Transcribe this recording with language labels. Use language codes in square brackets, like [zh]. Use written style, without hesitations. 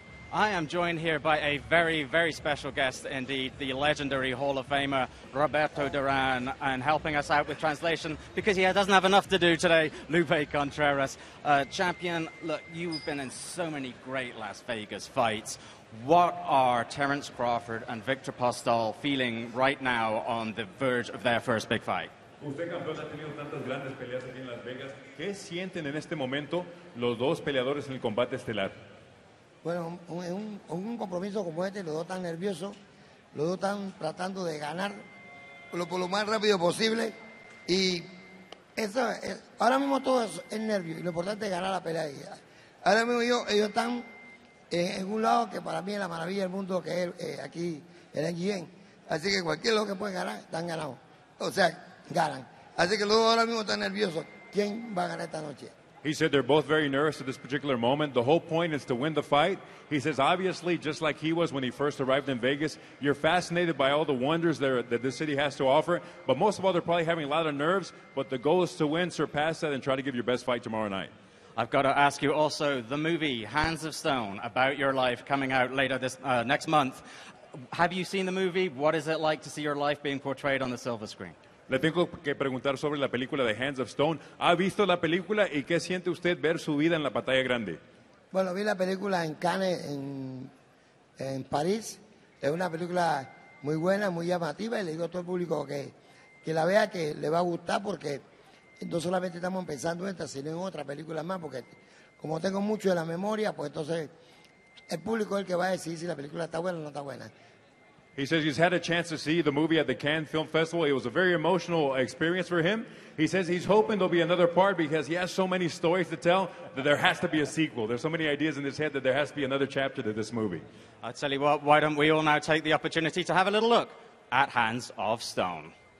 [en] I am joined here by a very, very special guest indeed, the legendary Hall of Famer, Roberto Duran, and helping us out with translation, because he doesn't have enough to do today, Lupe Contreras. Champion, look, you've been in so many great Las Vegas fights. What are Terence Crawford and Victor Postol feeling right now on the verge of their first big fight? [es] Usted, campeón, ha tenido tantas grandes peleas aquí en Las Vegas. ¿Qué sienten en este momento los dos peleadores en el combate estelar? Bueno, en un compromiso como este, los dos tan nerviosos, los dos están tratando de ganar por lo más rápido posible, y Eso es, ahora mismo todo eso es nervio y lo importante es ganar la pelea. Ahora mismo ellos están en un lado que para mí es la maravilla del mundo, que es aquí el MGM. Así que cualquier lado que pueden ganar, están ganados. O sea, ganan. Así que los dos ahora mismo están nerviosos. ¿Quién va a ganar esta noche? [en] He said they're both very nervous at this particular moment. The whole point is to win the fight. He says, obviously, just like he was when he first arrived in Vegas, you're fascinated by all the wonders there that this city has to offer. But most of all, they're probably having a lot of nerves. But the goal is to win, surpass that, and try to give your best fight tomorrow night. I've got to ask you also, the movie Hands of Stone, about your life, coming out later this next month. Have you seen the movie? What is it like to see your life being portrayed on the silver screen? [es] Le tengo que preguntar sobre la película de Hands of Stone. ¿Ha visto la película y qué siente usted ver su vida en la pantalla grande? Bueno, vi la película en Cannes, en París. Es una película muy buena, muy llamativa, y le digo a todo el público que la vea, que le va a gustar, porque no solamente estamos pensando en esta, sino en otra película más, porque como tengo mucho de la memoria, pues entonces el público es el que va a decidir si la película está buena o no está buena. [en] He says he's had a chance to see the movie at the Cannes Film Festival. It was a very emotional experience for him. He says he's hoping there'll be another part because he has so many stories to tell that there has to be a sequel. There's so many ideas in his head that there has to be another chapter to this movie. I'll tell you what, why don't we all now take the opportunity to have a little look at Hands of Stone.